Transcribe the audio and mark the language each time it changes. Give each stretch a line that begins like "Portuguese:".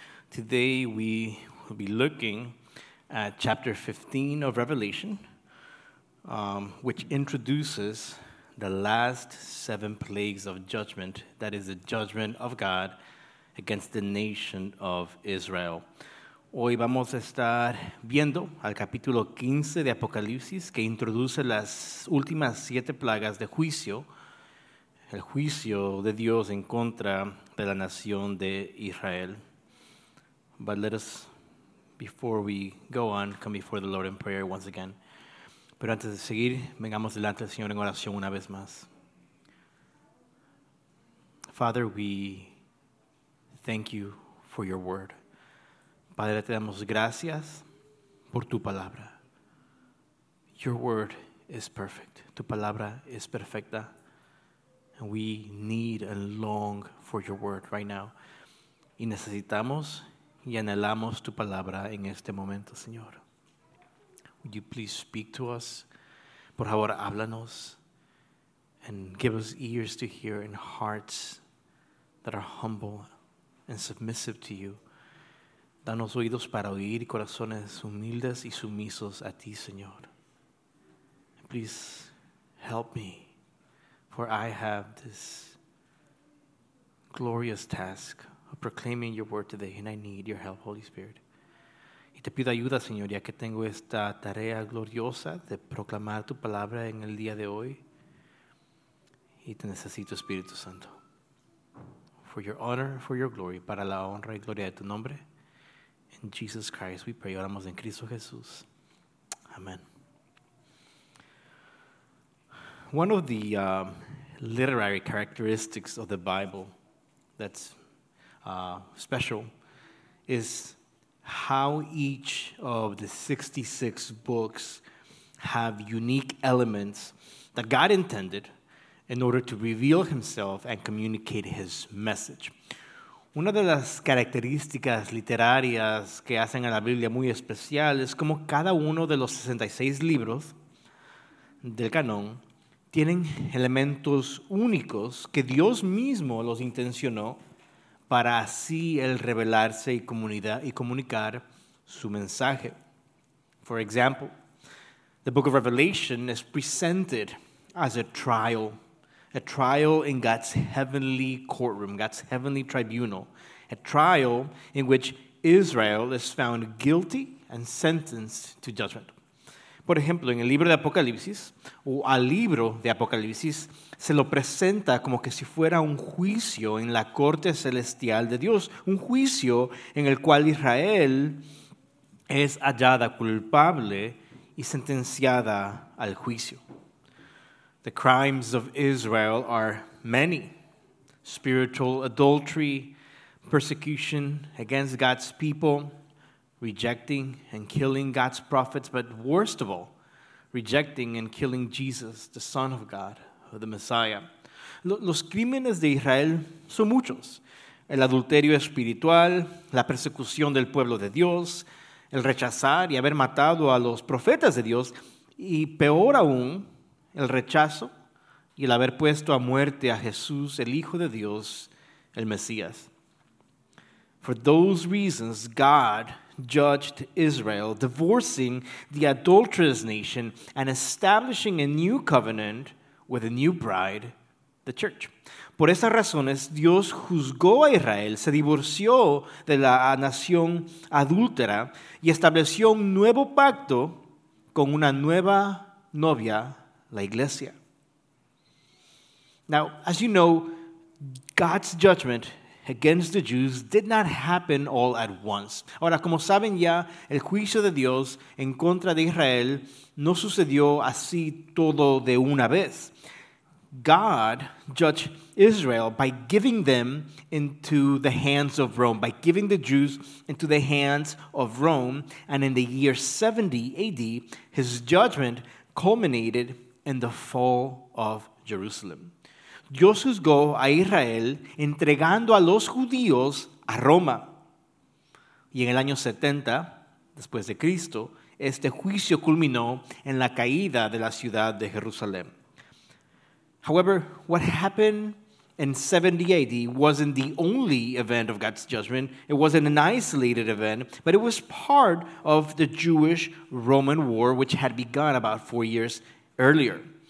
English: Today we will be looking at chapter 15 of Revelation, which introduces the last seven plagues of judgment, that is the judgment of God against the nation of Israel.
Spanish: Hoy vamos a estar viendo al capítulo 15 de Apocalipsis, que introduce las últimas siete plagas de juicio, el juicio de Dios en contra de la nación de Israel.
English: But let us, before we go on, come before the Lord in prayer once again.
Spanish: Pero antes de seguir, vengamos delante del Señor en oración una vez más.
English: Father, we thank you for your word.
Spanish: Padre, te damos gracias por tu palabra.
English: Your word is perfect.
Spanish: Tu palabra es perfecta.
English: And we need and long for your word right now.
Spanish: Y necesitamos y anhelamos tu palabra en este momento, Señor.
English: Would you please speak to us?
Spanish: Por favor, háblanos.
English: And give us ears to hear and hearts that are humble and submissive to you.
Spanish: Danos oídos para oír y corazones humildes y sumisos a ti, Señor.
English: Please help me, for I have this glorious task of proclaiming your word today, and I need your help, Holy Spirit.
Spanish: Y te pido ayuda, Señor, ya que tengo esta tarea gloriosa de proclamar tu palabra en el día de hoy. Y te necesito, Espíritu Santo.
English: For your honor, for your glory,
Spanish: para la honra y gloria de tu nombre.
English: In Jesus Christ, we pray.
Spanish: Oramos en Cristo Jesús.
English: Amen. One of the literary characteristics of the Bible that's special is how each of the 66 books have unique elements that God intended in order to reveal himself and communicate his message.
Spanish: Una de las características literarias que hacen a la Biblia muy especial es cómo cada uno de los 66 libros del canon tienen elementos únicos que Dios mismo los intencionó para así el revelarse y comunicar su mensaje.
English: For example, the book of Revelation is presented as a trial in God's heavenly courtroom, God's heavenly tribunal, a trial in which Israel is found guilty and sentenced to judgment.
Spanish: Por ejemplo, en el libro de Apocalipsis, o al libro de Apocalipsis, se lo presenta como que si fuera un juicio en la corte celestial de Dios, un juicio en el cual Israel es hallada culpable y sentenciada al juicio.
English: The crimes of Israel are many: spiritual adultery, persecution against God's people, rejecting and killing God's prophets, but worst of all, rejecting and killing Jesus, the Son of God, the Messiah.
Spanish: Los crímenes de Israel son muchos: el adulterio espiritual, la persecución del pueblo de Dios, el rechazar y haber matado a los profetas de Dios, y peor aún, el rechazo y el haber puesto a muerte a Jesús, el Hijo de Dios, el Mesías.
English: For those reasons, God judged Israel, divorcing the adulterous nation and establishing a new covenant with a new bride, the church.
Spanish: Por esas razones, Dios juzgó a Israel, se divorció de la nación adúltera y estableció un nuevo pacto con una nueva novia, la iglesia.
English: Now, as you know, God's judgment against the Jews did not happen all at once.
Spanish: Ahora, como saben ya, el juicio de Dios en contra de Israel no sucedió así todo de una vez.
English: God judged Israel by giving them into the hands of Rome, by giving the Jews into the hands of Rome. And in the year 70 AD, his judgment culminated in the fall of Jerusalem.
Spanish: Dios juzgó a Israel entregando a los judíos a Roma. Y en el año 70, después de Cristo, este juicio culminó en la caída de la ciudad de Jerusalén.
English: However, what happened in 70 AD wasn't the only event of God's judgment. It wasn't an isolated event, but it was part of the Jewish-Roman War, which had begun about 4 years earlier.